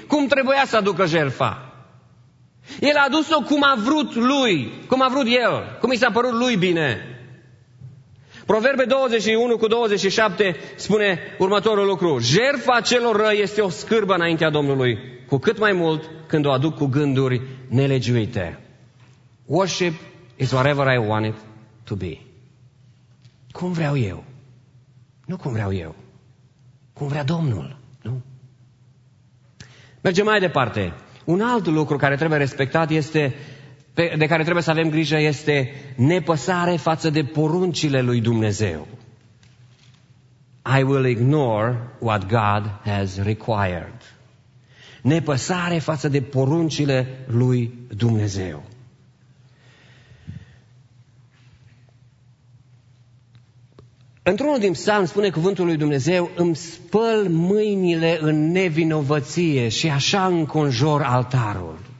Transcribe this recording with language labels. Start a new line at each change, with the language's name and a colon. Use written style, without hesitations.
Romanian: Cum trebuia să aducă jertfa? El a adus-o cum a vrut lui, cum a vrut el, cum i s-a părut lui bine. Proverbe 21:27 spune următorul lucru. Jertfa celor răi este o scârbă înaintea Domnului, cu cât mai mult când o aduc cu gânduri nelegiuite.
English: Worship is whatever I want it to be.
Romanian: Cum vreau eu? Nu cum vreau eu. Cum vrea Domnul, nu? Mergem mai departe. Un alt lucru care trebuie respectat este, de care trebuie să avem grijă, este nepăsare față de poruncile lui Dumnezeu.
English: I will ignore what God has required.
Romanian: Nepăsare față de poruncile lui Dumnezeu. Într-unul din psalmi spune cuvântul lui Dumnezeu, îmi spăl mâinile în nevinovăție și așa înconjor altarul.